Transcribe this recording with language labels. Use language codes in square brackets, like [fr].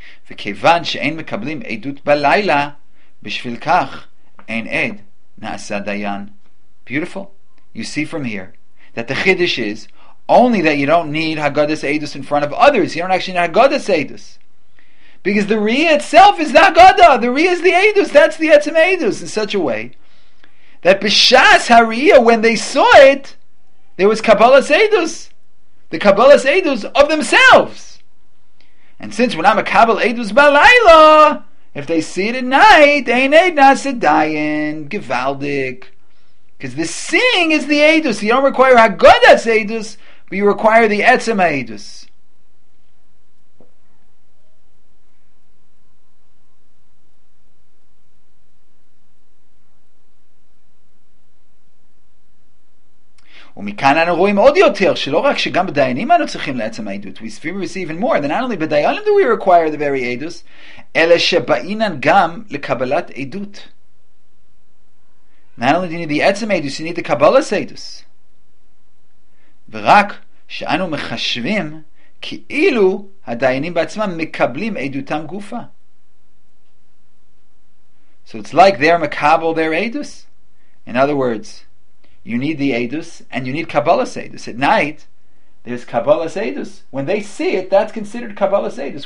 [he] וכיוון שאין מקבלים עדות בלילה, בשביל כך אין עד נעשה דיין. [en] Beautiful. You see from here that the chiddush is only that you don't need Haggadah Eidus in front of others. You don't actually need Haggadah Eidus. Because the Riyah itself is the Haggadah. The Riyah is the Eidus. That's the Etzem Eidus in such a way that B'shas HaRiyah, when they saw it, there was Kabbalah Eidus. The Kabbalah Eidus of themselves. And since when I'm a Kabbal Eidus Balayla, if they see it at night, ain't [he] Eid Nasadayin, [en] Givaldik. Because the seeing is the Eidus. You don't require Haggadah's Eidus, but you require the Etzem Eidus. [he] ומכאן אנו רואים עוד יותר שלא רק שגם בדיינים אנו צריכים לעצם העדות. [en] We see even more than not only בדיינים do we require the very עדות, [he] אלא שבאינן גם לקבלת עדות. [en] Not only do you need the עצם עדות, you need the קבלת עדות. [he] ורק שאנו מחשבים כאילו הדיינים בעצמם מקבלים עדותם גופה. [en] So it's like they're מקבל their עדות. In other words, you need the Eidus, and you need Kabbalah Eidus. At night, there's Kabbalah Eidus. When they see it, that's considered Kabbalah Eidus.